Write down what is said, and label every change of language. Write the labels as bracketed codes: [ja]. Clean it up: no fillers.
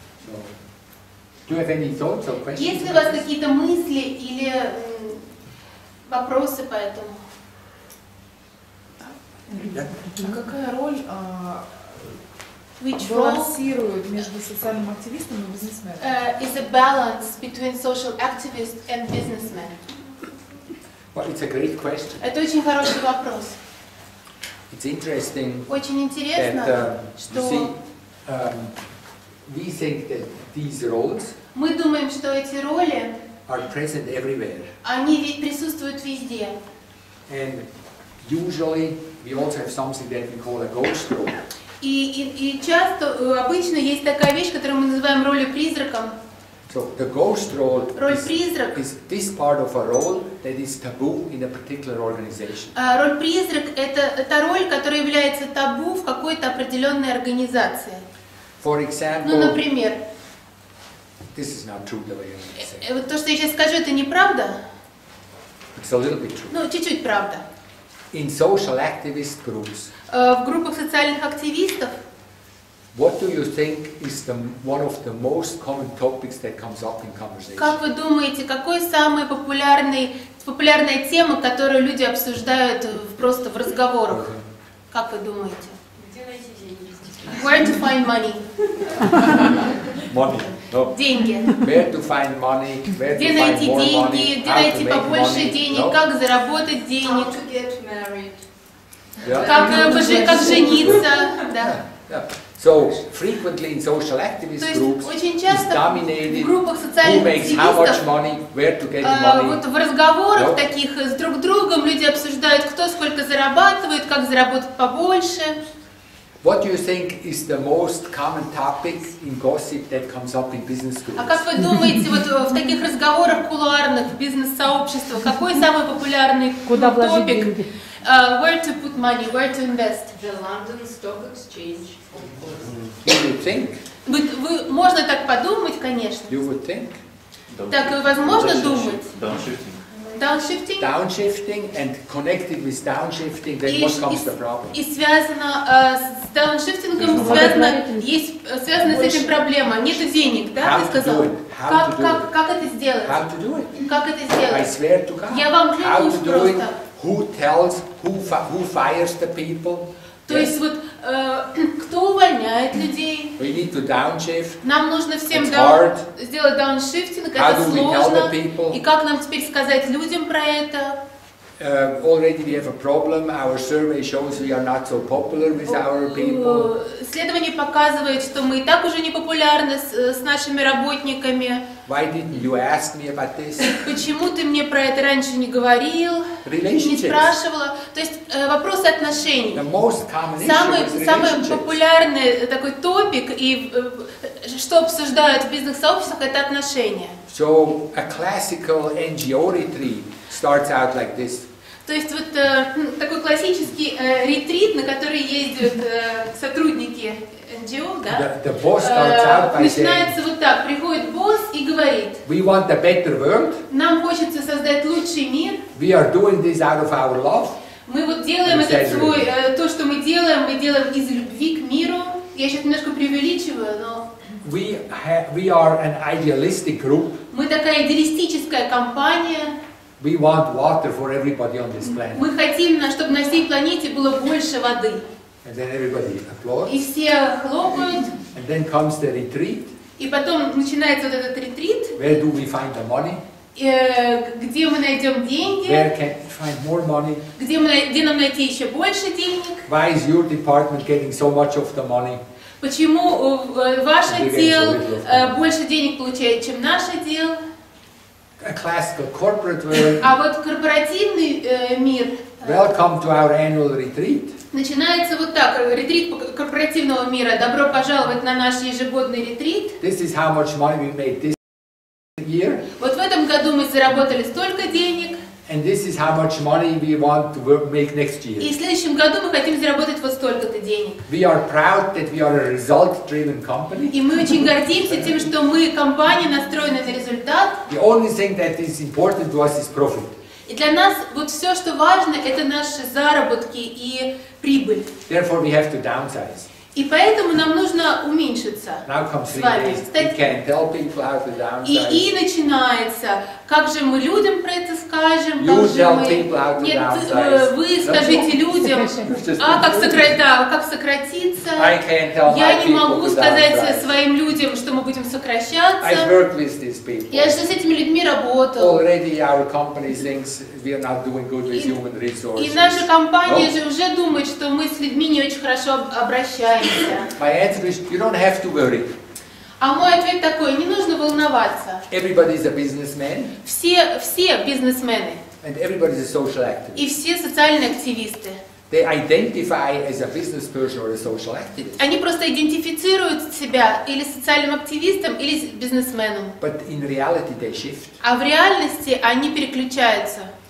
[en] So, do you have any thoughts or questions? [ru] Есть ли у вас какие-то мысли или вопросы по этому? Какая роль? [en] Which role [ru] между социальным активистом и бизнесменом? [en] Is a balance between social activist and businessman. Well, it's a great question. [ru] Это очень хороший вопрос. [en] It's interesting. [ru] Очень интересно, что [en] we think that these roles. [ru] Мы думаем, что эти роли. [en] Are present everywhere. [ru] Они присутствуют везде. [en] And usually we also have something that we call a ghost role. [ru] И часто, обычно есть такая вещь, которую мы называем ролью призраком. [en] So the ghost role [ru] роль призрак. [en] Is this part of a role that is taboo in a particular organization. [ru] Роль призрак – это та роль, которая является табу в какой-то определенной организации. [en] For example, [ru] ну, например, [en] This is not true, Delia. [ru] Вот то, что я сейчас скажу, это неправда? [en] It's a little bit true. [ru] Ну, чуть-чуть правда. [en] In social activist groups. [ru] В группах социальных активистов. [en] What do you think is the one of the most common topics that comes up in conversation? [ru] Как вы думаете, какой самый популярная тема, которую люди обсуждают просто в разговорах? Как вы думаете? [en] Where to find money? Money. No. [ru] Деньги. [en] Where to find money? Where [ru] где найти деньги? Где найти побольше денег? No. Как заработать денег? [en] How to get married? [ru] Yeah. Как жениться? Да. [en] Yeah. So frequently in social activist groups, [ru] очень часто [en] dominated [ru] в группах социальных [en] who makes [ru] активистов, [en] how much money, where to get money. [ru] Вот в разговорах таких с друг другом люди обсуждают, кто сколько зарабатывает, как заработать побольше. [en] What do you think is the most common topic in gossip that comes up in business groups? [ru] А как вы думаете, вот в таких разговорах кулуарных в бизнес-сообществах, какой самый популярный топик? [en] Where to put money, where to invest? The London Stock Exchange, of course. You would think? [ru] Вы можно так подумать, конечно. [en] You would think? [ru] Так возможно думать? [en] Downshifting. Downshifting. Downshifting and connected with downshifting, then what comes the problem? [ru] И связано с downshiftingом связано с этим проблема. Нет денег, да? Ты сказал. Как это сделать? [en] How to do it? [ru] Как это сделать? [en] I swear to God. [ru] Я вам клянусь просто. [en] Who tells? Who fires the people? [ru] То есть вот кто увольняет людей? [en] We need to downshift. [ru] Нам нужно всем сделать downshifting. [en] How [ru] это [en] do [ru] сложно. [en] We tell the people? [ru] И как нам теперь сказать людям про это? [en] Already we have a problem. Our survey shows we are not so popular with our people. [ru] Исследование показывает, что мы и так уже не популярны с нашими работниками. [en] Why didn't you ask me about this? [ru] Почему ты мне про это раньше не говорил? Не спрашивала. То есть вопросы отношений. [en] The most common issue is [ru] самый популярный такой топик и что обсуждают в бизнес-сообществах это отношения. [en] So a classical NGO retreat starts out like this. [ru] То есть вот такой классический ретрит, на который ездят сотрудники NGO, да? [en] The boss starts out by [ru] начинается [en] saying, [ru] вот так, приходит босс и говорит. [en] We want a better world. [ru] Нам хочется создать лучший мир. [en] We are doing this out of our love. [ru] Мы вот делаем этот свой, то, что мы делаем из любви к миру. Я сейчас немножко преувеличиваю, но... [en] We are an idealistic group. [ru] Мы такая идеалистическая компания. [en] We want water for everybody on this planet. [ru] Мы хотим, чтобы на всей планете было больше воды. [en] And then everybody applauds. [ru] И все хлопают. [en] And then comes the retreat. [ru] И потом начинается вот этот ретрит. [en] Where do we find the money? [ru] Где мы найдем деньги? [en] Where can we find more money? [ru] Где нам найти еще больше денег? [en] Why is your department getting so much of the money? [ru] Почему ваш отдел больше денег получает, чем наш отдел? [en] A classical corporate world. [ru] А вот корпоративный мир. [en] Welcome to our annual retreat. [ru] Начинается вот так, ретрит корпоративного мира. Добро пожаловать на наш ежегодный ретрит. [en] This is how much money we made this year. [ru] Вот в этом году мы заработали столько денег. [en] And this is how much money we want to make next year. [ru] И в следующем году мы хотим заработать вот столько-то денег. [en] We are proud that we are a result-driven company. [ru] И мы очень гордимся тем, что мы компания, настроена на результат. [en] The only thing that is important to us is profit. [ru] И для нас вот все, что важно, это наши заработки и прибыль. [en] Therefore, we have to downsize. [ru] И поэтому нам нужно уменьшиться с вами. И начинается, как же мы людям про это скажем, вы скажите людям, как сократиться, я не могу сказать своим людям, что мы будем сокращаться. Я же с этими людьми работал. И наша компания же уже думает, что мы с людьми не очень хорошо обращаемся. [en] My answer is, you don't have to worry. [ru] А мой ответ такой, не нужно волноваться. [en] Everybody is a businessman. [ru] Все бизнесмены. [en] And everybody is a social activist. [ru] И все социальные активисты. [en] They identify as a business person or a social activist. [ru] Они просто идентифицируют себя или социальным активистом, или бизнесменом. [en] But in reality they shift. [ru] А в реальности они переключаются.